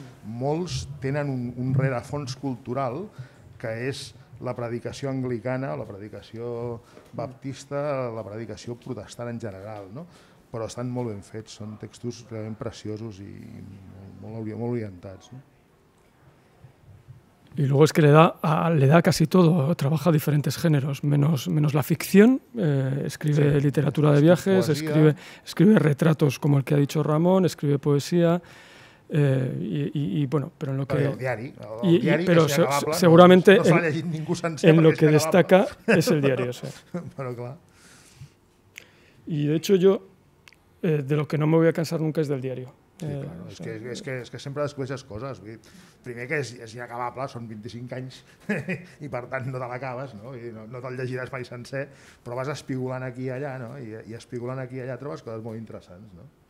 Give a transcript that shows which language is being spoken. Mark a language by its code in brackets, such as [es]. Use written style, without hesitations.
[ca] Molts tenen un rerefons cultural que és la predicació anglicana, la predicació baptista, la predicació protestant en general, no? Però estan molt ben fets, són textos realment preciosos i molt orientats, no? [es] Y luego es que le da casi todo, trabaja diferentes géneros, menos la ficción, escribe literatura de viajes, escribe retratos como el que ha dicho Ramón, escribe poesía, pero en lo que... Pero seguramente en lo que destaca es el diario, o sea. Bueno, claro. Y de hecho yo, de lo que no me voy a cansar nunca es del diario. [ca] Sí, clar, és que sempre descobreixes coses. Vull dir, primer que és inacabable, són 25 anys i per tant no te l'acabes, no? No te'l llegiràs mai sencer, però vas espigolant aquí i allà, no? I espigolant aquí i allà trobes coses molt interessants, no?